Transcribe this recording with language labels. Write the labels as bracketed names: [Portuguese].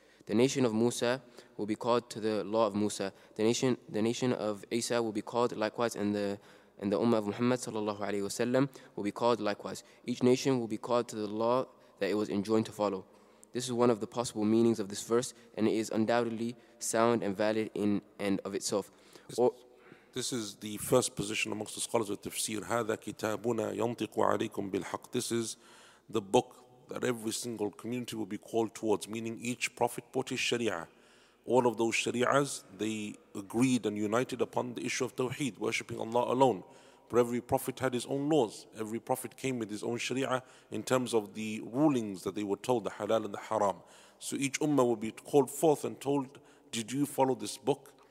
[English] The nation of Musa will be called to the law of Musa. The nation of Isa will be called likewise, and the Ummah of Muhammad sallallahu alaihi wasallam will be called likewise. Each nation will be called to the law that it was enjoined to follow. This is one of the possible meanings of this verse, and it is undoubtedly sound and valid in and of itself. This is the first position amongst the scholars of tafsir. [Arabic] هذا كتابنا ينطق عليكم بالحق. [English] This is the book that every single community will be called towards, meaning each prophet brought his sharia. All of those sharias, they agreed and united upon the issue of tawheed, worshipping Allah alone. But every prophet had his own laws. Every prophet came with his own sharia in terms of the rulings that they were told, the halal and the haram. So each ummah will be called forth and told, did you follow this book?